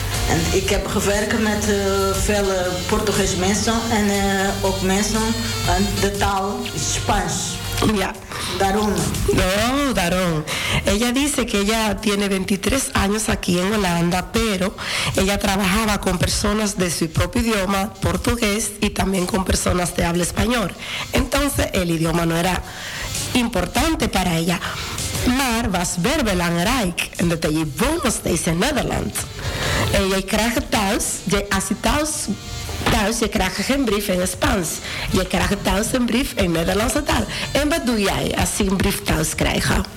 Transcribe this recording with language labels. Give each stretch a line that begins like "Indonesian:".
Dutch: En ik heb gewerkt met veel Portugees mensen en ook mensen en de taal is Spaans. Ya. Daarom. No, daarom.
Spanish: Ella dice que ella tiene 23 años aquí en Holanda, pero ella trabajaba con personas de su propio idioma, portugués, y también con personas de habla español. Entonces, el idioma no era importante para ella.
Dutch: Maar was wel belangrijk dat je woont nog steeds in Nederland. En je krijgt thuis, als je thuis, je krijgt geen brief in Spaans. Je krijgt thuis een brief in Nederlandse taal. En wat doe jij als je een brief thuis krijgt?